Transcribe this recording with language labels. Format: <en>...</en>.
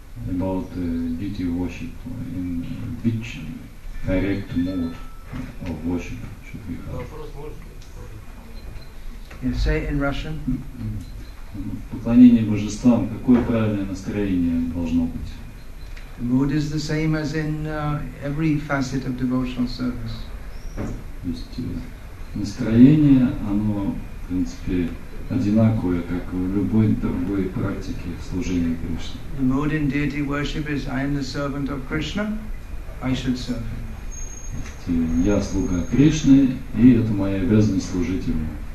<en>About duty worship in which correct mode of worship should we have? You say it in Russian?</en> <ru>Поклонение божествам, какое правильное настроение должно быть?</ru> <en>The mood is the same as in every facet of devotional service.</en> <ru>То есть настроение, оно, в принципе, одинаковое, как в любой другой практике служения Кришне.</ru> <en>The mood in deity worship is, I am the servant of Krishna, I should serve him.</en> <ru>То есть я слуга Кришны, и это моя обязанность служить ему.</ru>